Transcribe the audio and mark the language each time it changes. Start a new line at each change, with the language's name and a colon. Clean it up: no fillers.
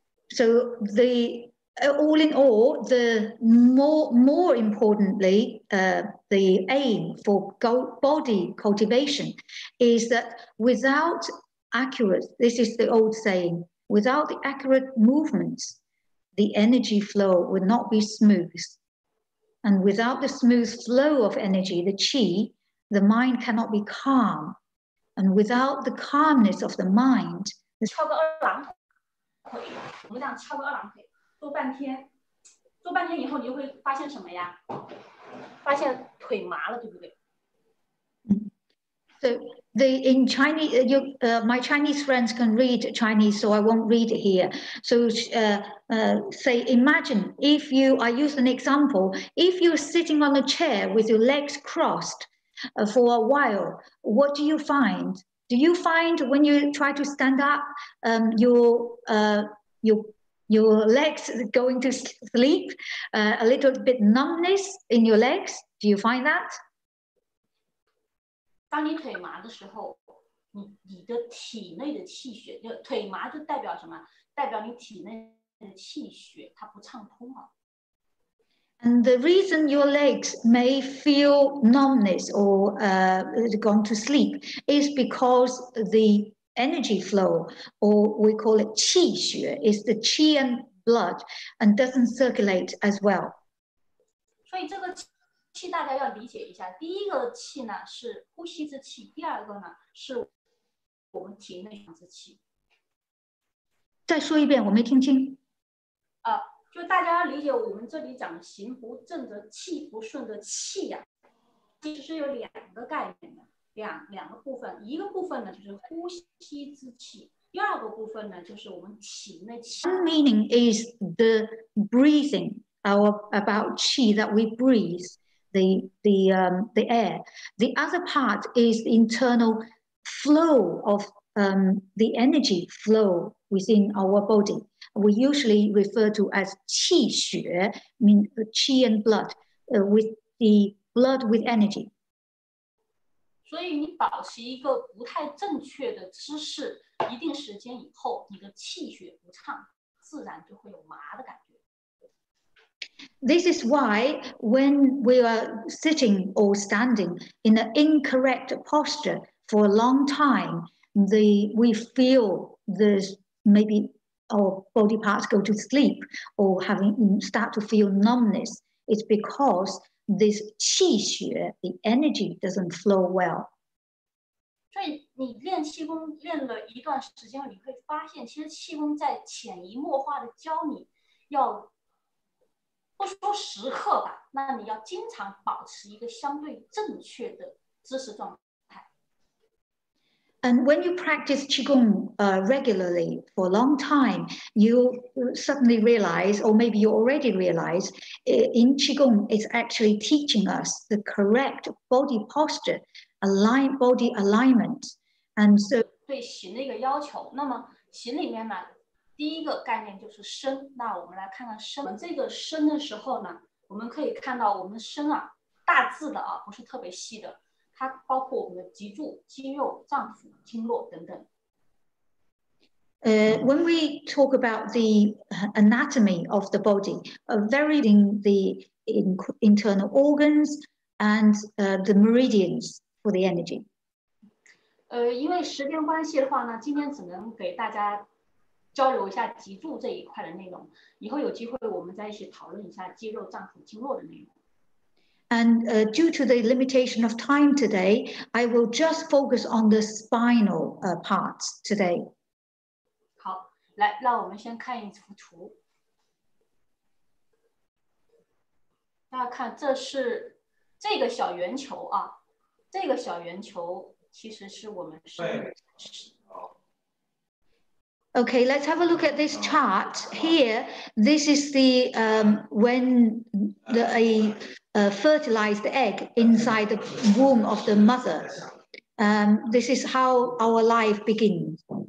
English: So the all in all, the more importantly, the aim for body cultivation is that without accurate, this is the old saying, without the accurate movements, the energy flow would not be smooth. And without the smooth flow of energy, the qi, the mind cannot be calm. And without the calmness of the mind,
Chinese: 翘个二郎腿，我们这样翘个二郎腿，做半天以后，你就会发现什么呀？发现腿麻了，对不对？
English: So the in Chinese, my Chinese friends can read Chinese, so I won't read it here. So, say, imagine if you, I use an example, if you're sitting on a chair with your legs crossed. For a while, what do you find? Do you find when you try to stand up, your legs going to sleep, a little bit numbness in your legs? Do you find that?
Chinese: 当你腿麻的时候，你的体内的气血，腿麻就代表什么？代表你体内的气血它不畅通了。
English: And the reason your legs may feel numbness or gone to sleep is because the energy flow, or we call it qi xue, is the qi and blood, and doesn't circulate as well.
Chinese: 所以这个气大家要理解一下，第一个气呢是呼吸之气，第二个呢是我们体内之气。再说一遍，我没听清。就大家要理解，我们这里讲行不正的气不顺的气呀、其实是有两个概念的，两个部分。一个部分呢就是呼吸之气，第二个部分呢就是我们体内气。
English: One meaning is the breathing, our about qi that we breathe, the air. The other part is the internal flow of the energy flow within our body. We usually refer to as qi xue, mean qi and blood, with the blood with energy.
Chinese: 所以你保持一个不太正确的姿势，一定时间以后，你的气血不畅，自然就会有麻的感觉。
English: This is why when we are sitting or standing in an incorrect posture for a long time, we feel this maybe our body parts go to sleep or start to feel numbness. It's because this 气血, the energy doesn't flow well.
Chinese: 所以你练气功练了一段时间，你会发现其实气功在潜移默化的教你要不说时刻吧，那你要经常保持一个相对正确的姿势状态。
English: And when you practice Qigong regularly for a long time, you suddenly realize, or maybe you already realize, in Qigong it's actually teaching us the correct body posture, body alignment. And so
Chinese: 对形的一个要求，那么形里面呢第一个概念就是身，那我们来看看身。这个身的时候呢，我们可以看到我们身啊，大致的啊，不是特别细的，它包括我们的脊柱、肌肉、脏腑、经络等等。
English: When we talk about the anatomy of the body, varying the internal organs and the meridians for the energy.
Chinese: 因为时间关系的话呢，今天只能给大家交流一下脊柱这一块的内容，以后有机会我们再一起讨论一下肌肉、脏腑、经络的内容。
English: And due to the limitation of time today, I will just focus on the spinal parts today.
Chinese: 好，来，让我们先看一幅图。大家看，这是这个小圆球啊，这个小圆球其实是我们是。
English: Okay, let's have a look at this chart here. This is the when a fertilized egg inside the womb of the mother. This is how our life begins.